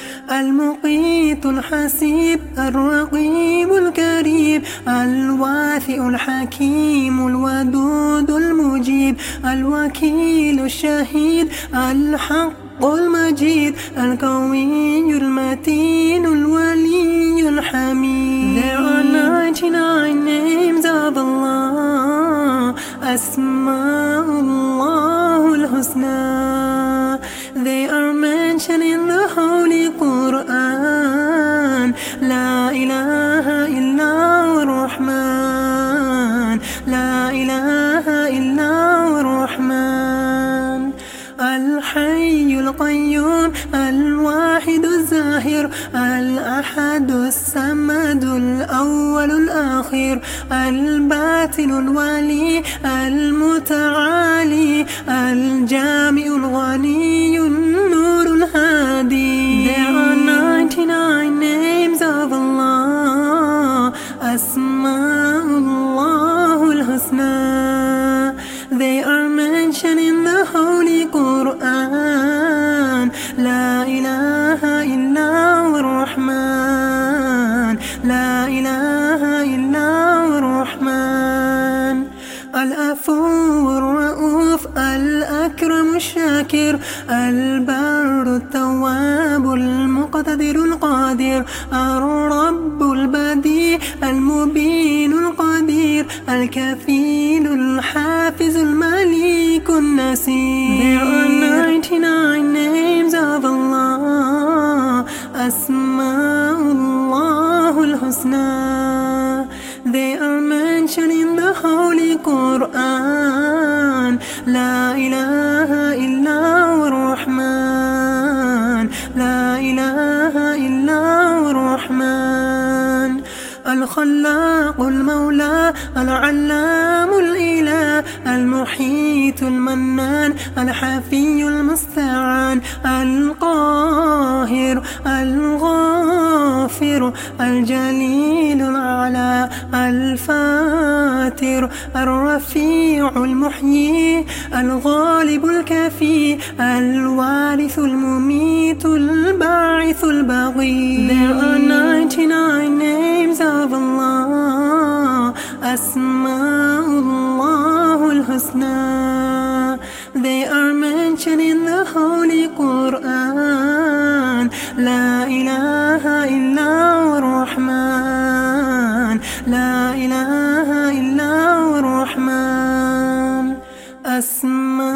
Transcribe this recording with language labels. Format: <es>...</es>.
<ar>المقيت الحسيب الرقيب الكريم الواثق الحكيم الودود المجيب الوكيل الشهيد الحق المجيد القوي المتين الولي الحميد.</ar> <en>There are 99 names of Allah.</en> <ar>أسماء الله الحسنى.</ar> <en>They are mentioned in the Holy Quran.</en> <ar>لا إله إلا الله الرحمن. لا إله إلا الله الرحمن. الحي القيوم الواحد الظاهر الأحد الصمد الأول الآخر الباطن الولي المتعالي الجامع الغني النور الهادي.</ar> <en>There are 99 names of Allah.</en> <ar>أسماء الله الحسنى.</ar> <en>They are mentioned in the Holy Quran.</en> <ar>لا إله إلا الله الرحمن. لا إله إلا الله الرحمن. العفو الرؤوف الأكرم الشاكر البار التواب المقتدر القادر الرب البديع المبين القدير الكفيل الحافظ المليك النسير.</ar> <en>There are 99 names of Allah.</en> <ar>أسماء الله الحسنى.</ar> <en>They are mentioned in the Holy Quran.</en> <ar>لا إله إلا الله الرحمن. لا إله إلا الله الرحمن. الخلاق المولى العلام الإله المحيط المنان الحفي المستعان القاهر الغافر الجليل العلا الفاتر الرفيع المحيي الغالب الكفي الوارث المميت الباعث البغي.</ar> <en>There are 99 names of Allah.</en> <ar>أسماء الله الحسنى.</ar> <en>They are mentioned in the Holy Quran.</en> <ar>لا إله إلا الله الرحمن. لا إله إلا الله الرحمن. أسماء</ar>